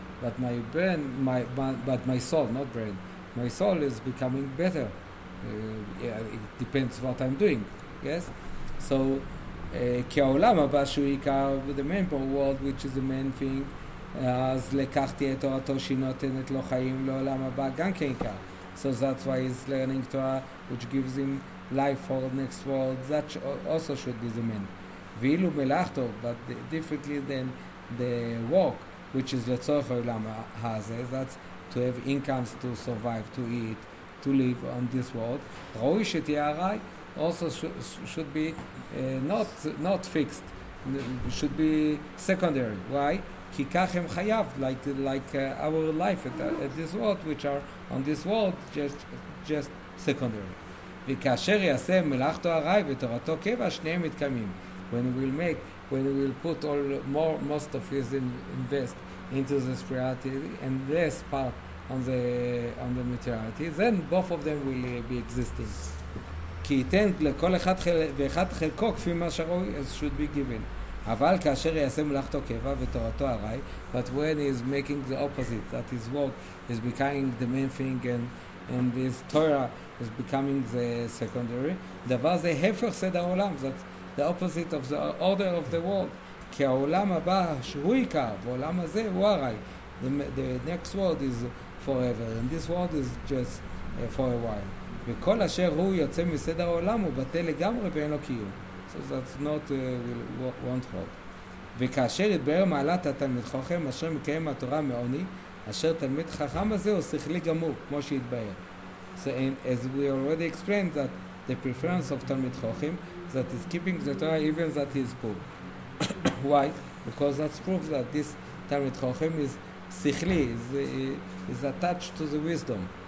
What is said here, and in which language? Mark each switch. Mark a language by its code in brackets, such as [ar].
[en] But my brain, my soul, not brain, my soul is becoming better. It depends what I'm doing, yes? [he] So, כעולם הבא שהוא עיקר, [en] the main world, which is the main thing, [he] אז לקחתי את תורתו שהיא נותנת לו חיים לעולם הבא, גם כן עיקר. [en] So that's why he's learning Torah, which gives him life for the next world, that also should be the main. [he] ואילו מלאכתו, [en] but differently than the work, which is [he] לצורך העולם הזה, [en] that's to have incomes to survive, to eat, to live on this world, [he] ראוי שתהיה הרי, [en] also should be not fixed, should be secondary. Why? [he] כי כך הם חייב, [en] like our life at this world, which are on this world, just secondary. [he] וכאשר יעשה מלאכתו הרי ותורתו קבע, שניהם מתקיימים. [en] When he will make, when he will put all more, most of his invest into the spirituality and less part on the materiality, then both of them will be existing. [he] כי ייתן לכל אחד ואחד חלקו כפי מה שראוי, [en] as should be given. [he] אבל כאשר יעשה מלאכתו קבע ותורתו הרי, [en] but when he is making the opposite, that his work is becoming the main thing and his Torah is becoming the secondary, [he] דבר זה הפך סדר העולם, [en] that's the opposite of the order of the world. [he] כי העולם הבא שהוא עיקר, ועולם הזה הוא הרי. [en] The next world is forever, and this world is just for a while. [he] וכל אשר הוא יוצא מסדר העולם הוא בטל לגמרי ואין לו קיום. [en] So that's not won't hold. [he] וכאשר יתבר מעלת התלמיד חוכם אשר מקיים התורה מעוני, אשר תלמיד חכם הזה הוא שכלי גמור, כמו שיתבר. [en] So as we already explained, that the preference of תלמיד חוכם that is keeping the Torah even that he is poor. Why? Because that's proof that this תלמיד חוכם is שכלי, is attached to the wisdom.